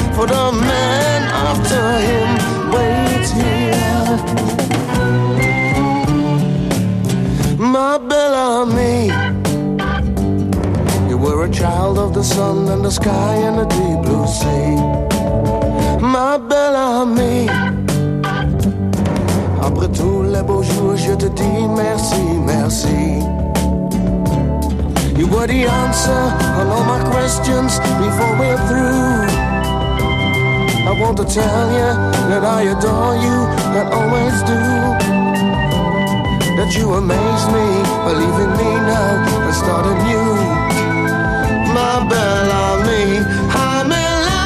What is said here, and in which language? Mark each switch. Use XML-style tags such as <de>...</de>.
<en>For the man after him waits here. My Bellamy, you're a child of the sun and the sky and the deep blue sea.</en> <fr>My Bellamy, après tous les beaux jours, je te dis merci, merci.</fr> <en>You were the answer on all my questions before we're through. I want to tell you that I adore you and always do. That you amaze me, believe in me now and start anew. My Bellamy, I'm in love.</en>